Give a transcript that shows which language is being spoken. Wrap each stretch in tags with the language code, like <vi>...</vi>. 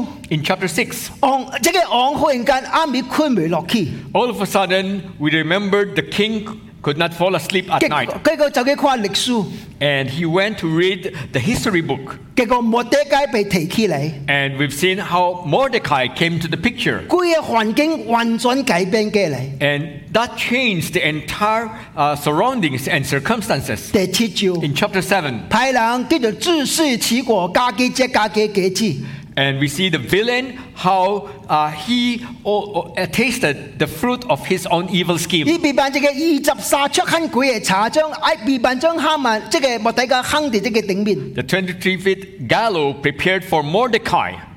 <en>In chapter 6, all of a sudden, we remembered the king could not fall asleep at night.</en> <zh>结果就去看历史,</zh> <en>and he went to read the history book.</en> <zh>结果摩德该被提起来,</zh> <en>and we've seen how Mordecai came to the picture.</en> <zh>整个环境完全改变过来,</zh> <en>and that changed the entire surroundings and circumstances.</en> <zh>第七章,</zh> <en>in chapter 7,</en> <zh>派人叫做自食其果，家己吃家己的果子。</zh> <en>And we see the villain, how tasted the fruit of his own evil scheme. The 23-foot gallows prepared for Mordecai.</en>